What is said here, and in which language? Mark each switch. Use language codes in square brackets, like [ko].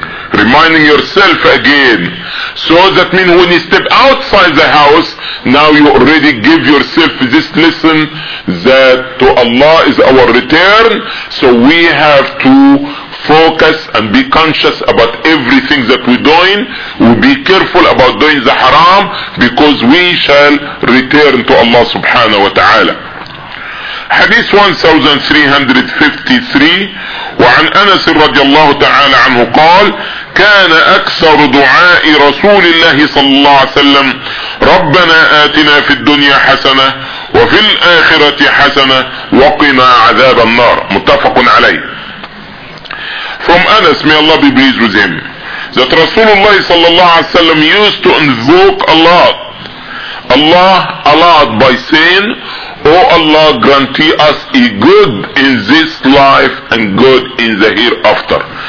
[en] Reminding yourself again. So that means when you step outside the house, now you already give yourself this lesson that to Allah is our return. So we have to focus and be conscious about everything that we're doing. We'll be careful about doing the haram, because we shall return to Allah subhanahu wa ta'ala. [ar] Hadith 1353. وعن أنس رضي الله تعالى عنه قال كان أكثر دعاء رسول الله صلى الله عليه وسلم ربنا آتنا في الدنيا حسنة وفي الآخرة حسنة وقنا عذاب النار. متفق عليه. [en] From Anas, may Allah be pleased with him, that Rasulullah صلى الله عليه وسلم used to invoke Allah a lot by saying, Oh Allah, grantee us a good in this life and good in the hereafter.